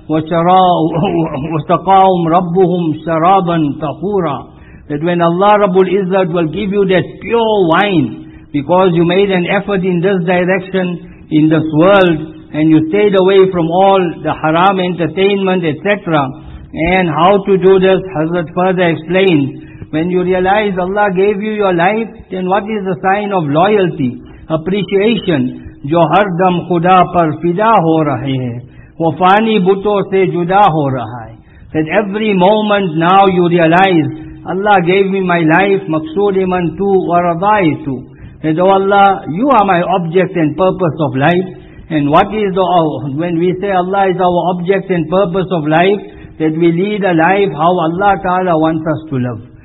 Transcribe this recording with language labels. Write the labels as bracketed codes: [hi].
[ar] وَسَقَاهُمْ رَبُّهُمْ شَرَابًا تَخُورًا, [en] that when Allah Rabbul Izzat will give you that pure wine, because you made an effort in this direction, in this world, and you stayed away from all the haram entertainment, etc. And how to do this, Hazrat further explained, when you realize Allah gave you your life, then what is the sign of loyalty, appreciation? [ur] جو ہر دم خدا پر فدا ہو رہے ہیں وفانی بتوں سے جدا ہو رہا ہے. [en] That every moment now you realize, Allah gave me my life, [fa] مقصود من تو ورضائی تو. [en] That oh Allah, you are my object and purpose of life. And what is the, when we say Allah is our object and purpose of life, that we lead a life how Allah Ta'ala wants us to live.